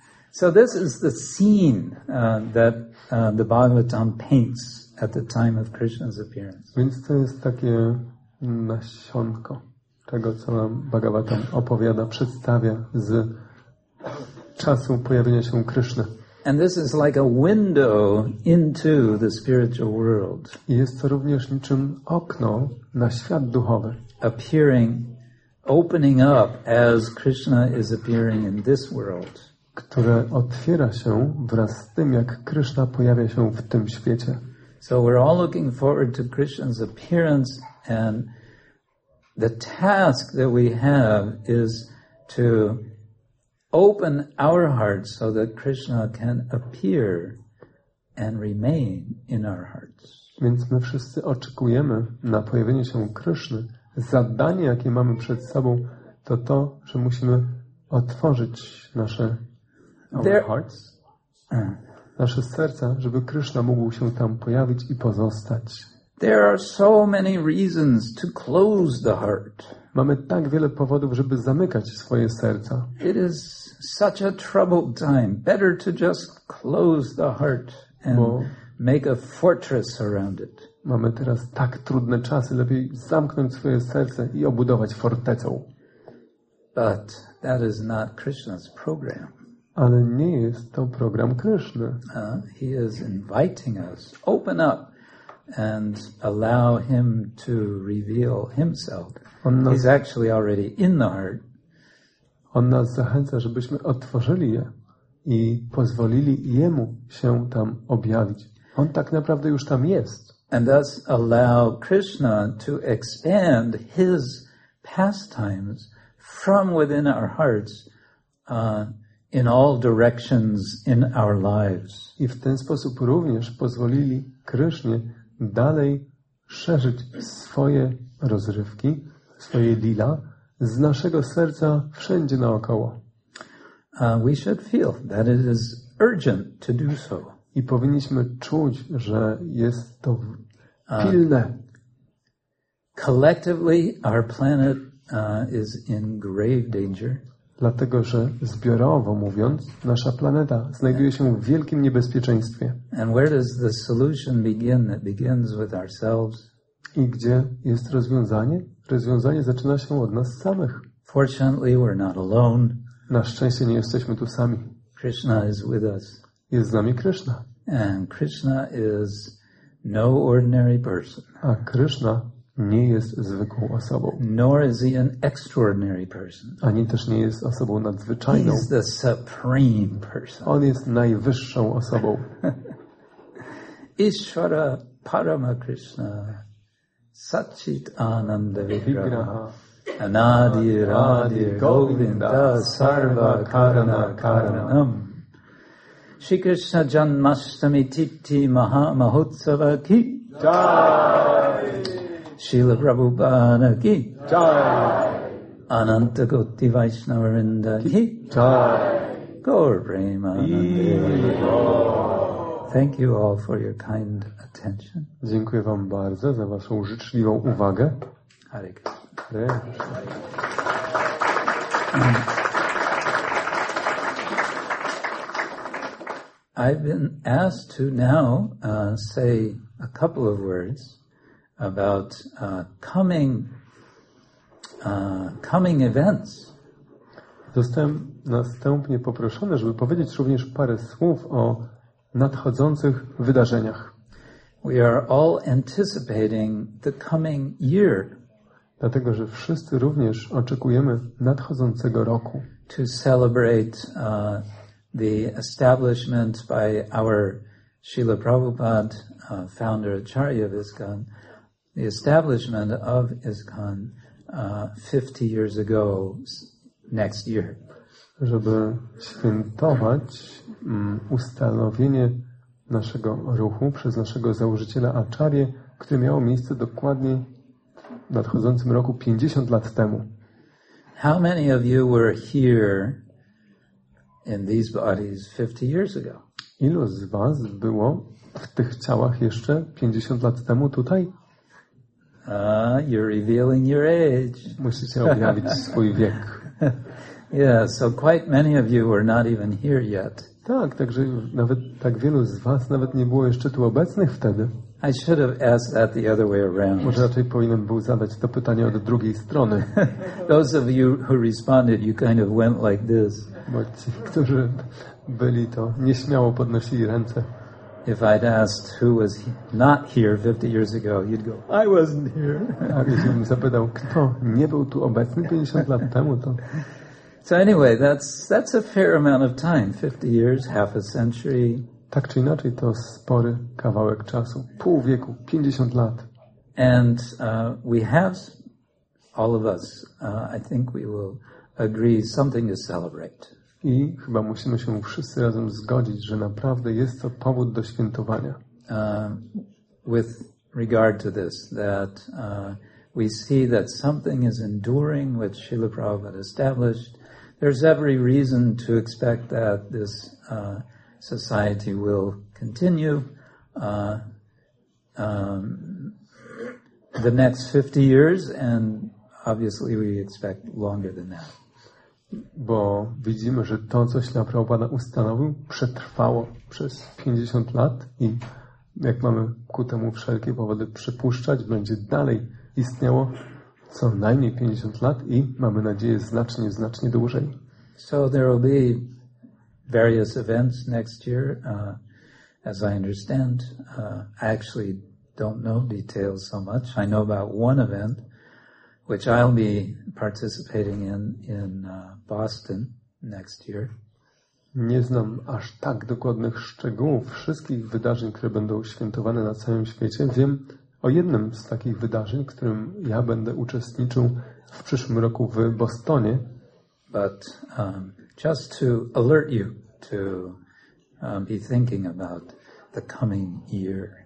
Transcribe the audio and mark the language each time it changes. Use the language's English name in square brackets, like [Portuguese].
[English] So this is the scene that the Bhagavatam paints at the time of Krishna's appearance. [Polish] Więc to jest takie nasionko tego, co nam Bhagavatam opowiada, przedstawia z czasu pojawienia się Kryszny. [English] And this is like a window into the spiritual world. [Polish] Jest to również niczym okno na świat duchowy. [English] Appearing, opening up as Krishna is appearing in this world. [Polish] Które otwiera się wraz z tym, jak Krishna pojawia się w tym świecie. [English] So we're all looking forward to Krishna's appearance, and the task that we have is to open our hearts so that Krishna can appear and remain in our hearts. [Polish] Więc my wszyscy oczekujemy na pojawienie się Kryszny. Zadanie, jakie mamy przed sobą, to to, że musimy otworzyć nasze [English] hearts, [Polish] nasze serca, żeby Krishna mógł się tam pojawić i pozostać. [English] There are so many reasons to close the heart. [Polish] Mamy tak wiele powodów, żeby zamykać swoje serca. [English] It is such a troubled time. Better to just close the heart and make a fortress around it. [Polish] Mamy teraz tak trudne czasy, lepiej zamknąć swoje serce i obudować fortecą. [English] But that is not Krishna's program. [Polish] Ale nie jest to program Kryszny. [English] He is inviting us, open up and allow him to reveal himself. He's actually already in the heart. [Polish] On nas zachęca, żebyśmy otworzyli je i pozwolili jemu się tam objawić. On tak naprawdę już tam jest. [English] And thus allow Krishna to expand his pastimes from within our hearts in all directions in our lives. [Polish] I w ten sposób również pozwolili Krysznie dalej szerzyć swoje rozrywki, swoje lila z naszego serca wszędzie naokoło. [English] We should feel that it is urgent to do so. [Polish] I powinniśmy czuć, że jest to pilne. [English] Collectively our planet is in grave danger. [Polish] Dlatego, że zbiorowo mówiąc, nasza planeta znajduje się w wielkim niebezpieczeństwie. [English] And where does the solution begin that begins with ourselves? [Polish] I gdzie jest rozwiązanie? Rozwiązanie zaczyna się od nas samych. [English] Fortunately, we're not alone. [Polish] Na szczęście nie jesteśmy tu sami. [English] Krishna is with us. [Polish] Jest z nami Krishna. [English] And Krishna is no ordinary person. [Polish] A Krishna nie jest zwykłą osobą. [English] Nor is he an extraordinary person. [Polish] Ani też nie jest osobą nadzwyczajną. [English] He's the supreme person. [Polish] On jest najwyższą osobą. [Sanskrit] Ishvara Parama Krishna Satchit Ananda Vigraha Anadi Radhi Govinda Sarva Karana Karanam Shri Krishna Janmashtami Titi Maha Mahotsava Ki Jai Śrīla Prabhupāda ki jai, Ananta Koti Vaishnava Vrinda ki jai. Gaur Premanande. [English] Thank you all for your kind attention. [Polish] Dziękuję wam bardzo za waszą życzliwą uwagę. [Sanskrit] Hare Krishna. [English] I've been asked to now say a couple of words about coming events. [Polish] Zostałem następnie poproszony, żeby powiedzieć również parę słów o nadchodzących wydarzeniach. [English] We are all anticipating the coming year. [Polish] Dlatego, że wszyscy również oczekujemy nadchodzącego roku. [English] To celebrate the establishment by our Srila Prabhupada, founder Acharya of ISKCON, the establishment of ISKCON 50 years ago next year. [Polish] Żeby świętować ustanowienie naszego ruchu przez naszego założyciela Acharya, które miało miejsce dokładnie w nadchodzącym roku 50 lat temu. [English] How many of you were here in these bodies 50 years ago? [Polish] Ilu z was było w tych ciałach jeszcze 50 lat temu tutaj? [English] You're revealing your age. [Polish] Musicie objawić swój wiek. [English] Yeah, so quite many of you were not even here yet. [Polish] Tak, także nawet tak wielu z was nawet nie było jeszcze tu obecnych wtedy. [English] I should have asked that the other way around. [Polish] Może raczej powinienem był zadać to pytanie od drugiej strony. [English] Those of you who responded, you kind of went like this. [Polish] Bo ci, którzy byli, to nieśmiało podnosili ręce. [English] If I'd asked who was not here 50 years ago, you'd go, I wasn't here. [Polish] A gdybym zapytał, kto nie był tu obecny 50 lat temu, to... [English] So anyway, that's a fair amount of time, 50 years, half a century. [Polish] Tak czy inaczej, to spory kawałek czasu, pół wieku, 50 lat. [English] And we have, all of us, I think we will agree, something to celebrate. [Polish] I chyba musimy się wszyscy razem zgodzić, że naprawdę jest to powód do świętowania. [English] With regard to this, that we see that something is enduring, which Srila Prabhupada established, there's every reason to expect that this society will continue the next 50 years, and obviously we expect longer than that. [Polish] Bo widzimy, że to, co Śla Prabhupada ustanowił, przetrwało przez 50 lat i jak mamy ku temu wszelkie powody przypuszczać, będzie dalej istniało co najmniej 50 lat i mamy nadzieję znacznie, znacznie dłużej. [English] So there will be various events next year, as I understand. I actually don't know details so much. I know about one event, which I'll be participating in Boston next year. [Polish] Nie znam aż tak dokładnych szczegółów wszystkich wydarzeń, które będą świętowane na całym świecie. Wiem o jednym z takich wydarzeń, którym ja będę uczestniczył w przyszłym roku w Bostonie. [English] But just to alert you to be thinking about the coming year.